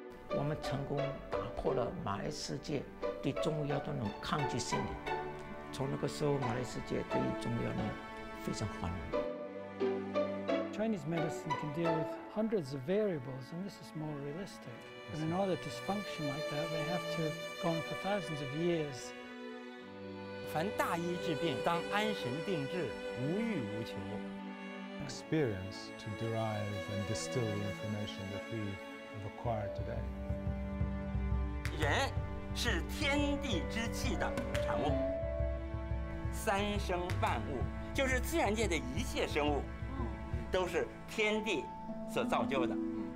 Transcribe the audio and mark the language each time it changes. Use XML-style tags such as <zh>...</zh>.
<zh>我们成功打破了马来世界对中药的那种抗拒心理。从那个时候，马来世界对中药呢非常欢迎。</zh> <en>Chinese medicine can deal with hundreds of variables, and this is more realistic. But in order to function like that, they have to go on for thousands of years.</en> <zh>凡大医治病，当安神定志，无欲无求。Experience</zh> <en>to derive and distill the information that we have acquired today.</en> <zh>人是天地之气的产物，三生万物，就是自然界的一切生物。 都是天地所造就的。</zh>